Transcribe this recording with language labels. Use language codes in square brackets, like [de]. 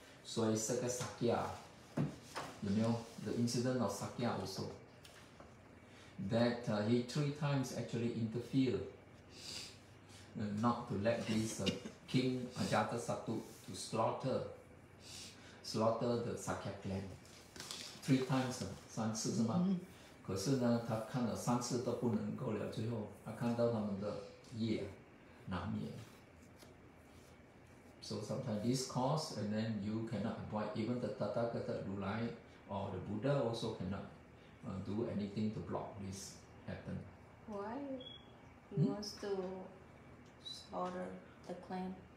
[zh] 所以这个 Sakya, 有没有? [en] The incident of Sakya also. That he three times actually interfered not to let this King Ajatasattu to slaughter the Sakya clan. Three times, [zh] 三次是吗? [en] Mm-hmm. [zh] 可是呢, 他看了三次都不能够了, 最后他看到他们的业难灭。 [en] So sometimes this cause, and then you cannot avoid, even the Tathagata Rulai or the Buddha also cannot do anything to block this happen. Why? He wants to slaughter the clan.